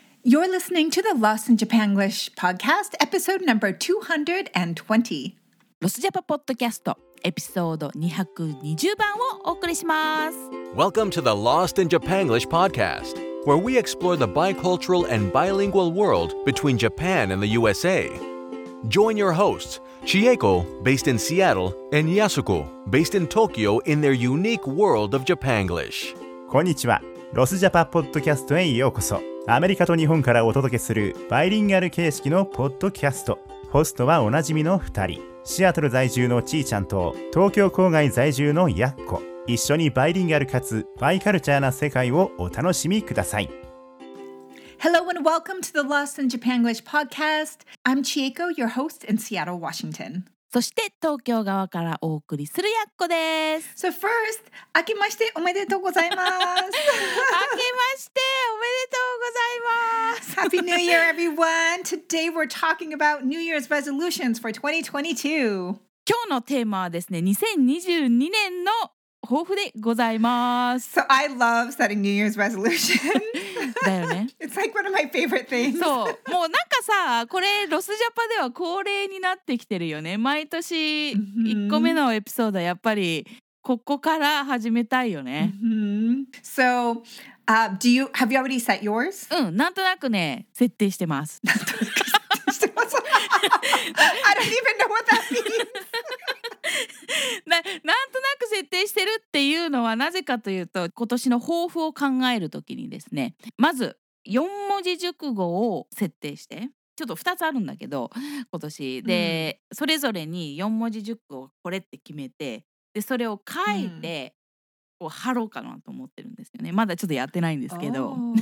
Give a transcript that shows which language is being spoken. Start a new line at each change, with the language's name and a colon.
English: You're listening to the Lost in Japanglish podcast, episode number 220.
Japanese: ロスジャパポッドキャストエピソード220番をお送りします。
English: Welcome to the Lost in Japanglish podcast, where we explore the bicultural and bilingual world between Japan and the USA. Join your hosts, Chieko, based in Seattle, and Yasuko, based in Tokyo, in their unique world of Japanglish.
Japanese: こんにちは。ロスジャパポッドキャストへようこそ。アメリカと日本からお届けするバイリンガル形式のポッドキャスト。ホストはおなじみの2人、シアトル在住のちーちゃんと東京郊外在住のやっこ。一緒にバイリンガルかつバイカルチャーな世界をお楽しみください。
English: Hello and welcome to the Lost in Japanglish podcast. I'm Chieko, your host in Seattle, Washington.
Japanese: そして東京側からお送りするやっこです。
English: So first,
Japanese: 明けましておめでとうございます。明けましておめでとうございます。
English: Happy New Year, everyone! Today we're talking about New Year's resolutions for 2022.
Japanese: 今日のテーマはですね、2022年の抱負でございます。
English: So I love setting New Year's resolutions.
Japanese: だよね。
English: It's like one of my favorite things.
Japanese: そう、もうなんかさ、これロスジャパでは恒例になってきてるよね。毎年1個目のエピソードはやっぱりここから始めたいよね。
English: So, do you, have you already set yours?
Japanese: うん、なんとなくね、設定してます。なんとなく設定してます。
English: I don't even know what that means.
Japanese: なんとなく設定してるっていうのはなぜかというと、今年の抱負を考えるときにですね、まず四文字熟語を設定して、ちょっと2つあるんだけど今年で、それぞれに四文字熟語をこれって決めて、でそれを書いて、こう貼ろうかなと思ってるんですよね。まだちょっとやってないんですけど。